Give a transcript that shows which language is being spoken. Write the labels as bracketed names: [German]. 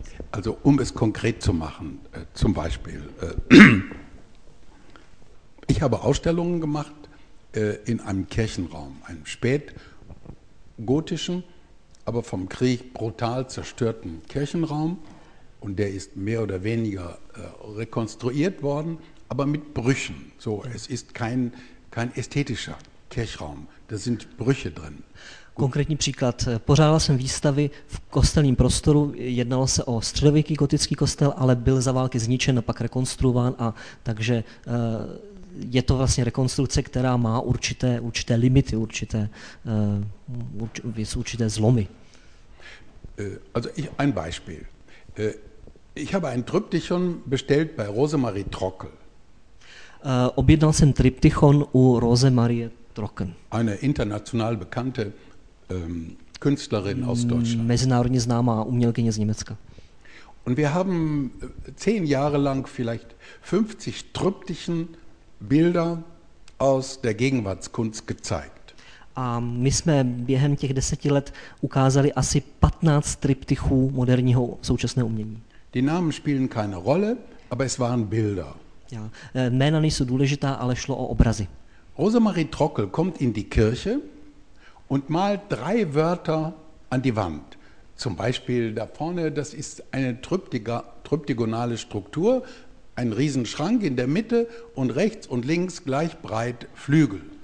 [German] Also um es konkret zu machen, zum Beispiel, ich habe Ausstellungen gemacht in einem Kirchenraum, einem spätgotischen, aber vom Krieg brutal zerstörten Kirchenraum. Und der ist mehr oder weniger rekonstruiert worden, aber mit Brüchen. So, es ist kein ästhetischer Kirchraum. Da sind Brüche drin. [Czech] Konkrétní příklad. Pořádal jsem výstavy v kostelním prostoru. Jednalo se o středověký gotický kostel, ale byl za války zničen a pak rekonstruován. A takže je to vlastně rekonstrukce, která má určité limity, určité zlomy. [German] Also ein Beispiel. Ich habe ein Triptychon bestellt bei Rosemarie Trockel. [Czech] Objednal jsem Triptychon u Rosemarie Trockel. [German] Eine international bekannte Künstlerin aus Deutschland. [Czech] Mezinárodně známá umělkyně z Německa. [German] Und wir haben 10 Jahre lang vielleicht 50 Triptychen Bilder aus der Gegenwartskunst gezeigt. [Czech] A my jsme během těch 10 let ukázali asi 15 triptychů moderního současného umění. [German] Die Namen spielen keine Rolle, aber es waren Bilder. [Czech] Ja, jména nejsou důležitá, ale šlo o obrazy. [German] Rosemarie Trockel kommt in die Kirche und malt 3 Wörter an die Wand. Zum Beispiel da vorne, das ist eine triptygonale Struktur, ein Riesenschrank in der Mitte und rechts und links gleich breit Flügel.